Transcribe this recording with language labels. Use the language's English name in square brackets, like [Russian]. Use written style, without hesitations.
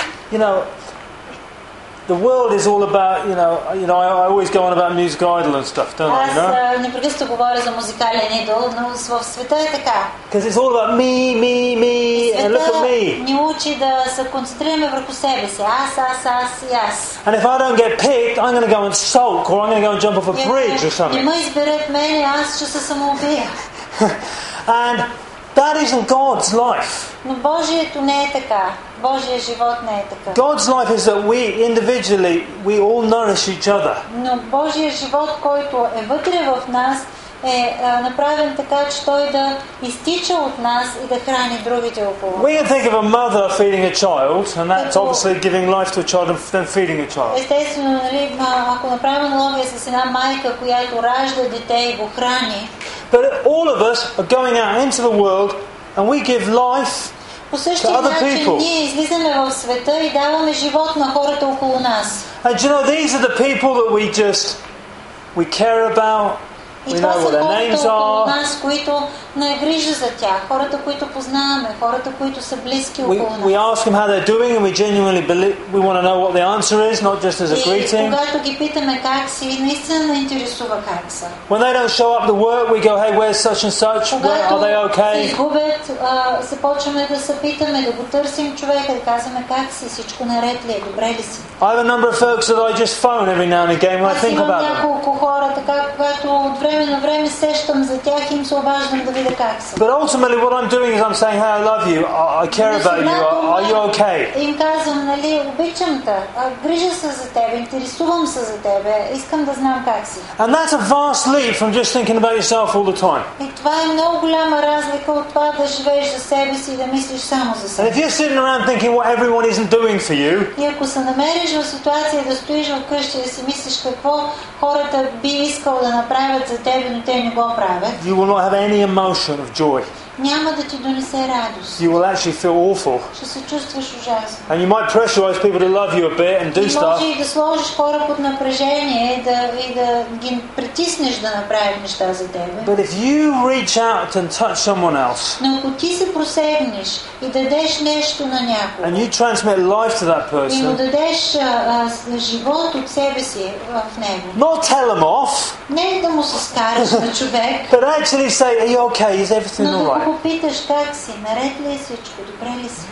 [English] You know, the world is all about, you know, I always go on about Music Idol and stuff, don't I, you know? Because it's all about me, and look at me. [Bulgarian] Ни учи да се концентрираме върху себе си. Аз. [English] And if I don't get picked, I'm going to go and sulk, or I'm going to go and jump off a bridge or something. [Bulgarian] Не ме изберет мене, аз ще се самоубия. [English] And that isn't God's life. [Bulgarian] Но Божието не е така. Божия живот не е така. [English] God's life is that we individually, we all nourish each other. [Bulgarian] Но Божия живот, който е вътре в нас, е направен така, че той да изтича от нас и да храни другите около. [English] We can think of a mother feeding a child, and that's obviously giving life to a child and then feeding a child. [Bulgarian] Естествено, нали, ако направим аналогия с една майка, която ражда дете и го храни. [English] But all of us are going out into the world and we give life to other people. [Bulgarian] Ние излизаме в света и даваме живот на хората около нас. [English] And you know, these are the people that we just we care about. We know what their names are. [Bulgarian] Нас, които не грижа за тях, хората, които познаваме, хората, които са близки около нас. [English] We ask them how they're doing, and we genuinely believe we want to know what the answer is, not just as a greeting. [Bulgarian] Когато ги питаме как си, наистина интересува как са. [English] When they don't show up to work, we go, hey, where's such and such? Where, are they okay? [Bulgarian] Когато се изгубят, се почваме да се питаме, да го търсим човека, да казваме как си, всичко наред ли е, добре ли си? [English] I have a number of folks that I just phone every now and again when I think about them. [Bulgarian] Аз имам няколко хора, така, когато от време на време сещам за тях, им се обаждам. [English] But ultimately what I'm doing is I'm saying, hey, I love you, I care about you, are you okay? [Bulgarian] Им казвам, нали, обичам те, грижа се за теб, интересувам се за теб, искам да знам как си. [English] And that's a vast leap from just thinking about yourself all the time. [Bulgarian] И това е много голяма разлика от това да живееш за себе си и да мислиш само за себе. [English] And if you're sitting around thinking what everyone isn't doing for you, [Bulgarian] и ако се намериш в ситуация да стоиш вкъщи и да си мислиш какво хората би искал да направят за теб, но те не го правят, [English] you will not have any emotion of joy. [Bulgarian] Няма да ти донесе радост. [English] You will actually feel awful. [Bulgarian] Ще се чувстваш ужасно. [English] And you might pressurize people to love you a bit and do [Bulgarian] и [English] stuff. [Bulgarian] И може да сложиш хора под напрежение и да ги притиснеш да направят неща за теб. [English] But if you reach out and touch someone else. [Bulgarian] Но ако ти се просегнеш и дадеш нещо на някого. [English] And you transmit life to that person. [Bulgarian] И му дадеш живот от себе си в него. [English] Not tell him off. [Bulgarian] Не да му се скараш на човек. [English] But actually say, are you okay? Is everything alright? [Bulgarian] Ако питаш как си, наред ли е всичко, добре ли си?